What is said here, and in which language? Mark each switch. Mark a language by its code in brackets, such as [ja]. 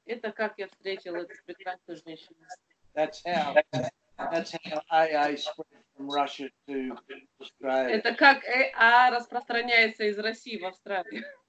[ru] Это как я встретил эту прекрасную женщину. [en] That's how AA spread from Russia to Australia. [ru] Это как AA распространяется из России в Австралию.